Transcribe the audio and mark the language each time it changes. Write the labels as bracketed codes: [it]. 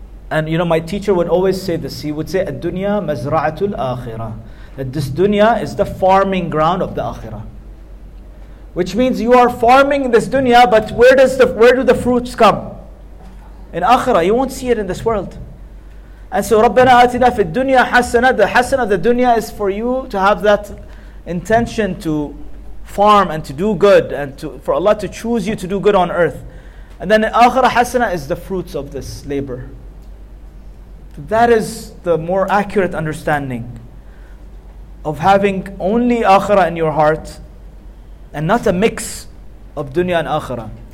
[en] And you know, my teacher would always say this. He would say, [ar] الدُّنْيَا مَزْرَعَةُ الْآخِرَةِ. [en] That this dunya is the farming ground of the akhirah. Which means you are farming this dunya, but where do the fruits come? In akhirah, you won't see it in this world. [ar] And so, رَبَّنَا آتِنَا فِي الدُّنْيَا حَسَنَةً. [en] The hasan of the dunya is for you to have that intention to farm and to do good, and to for Allah to choose you to do good on earth. And then in akhirah, hasana is the fruits of this labor. That is the more accurate understanding of having only akhirah in your heart and not a mix of dunya and akhirah.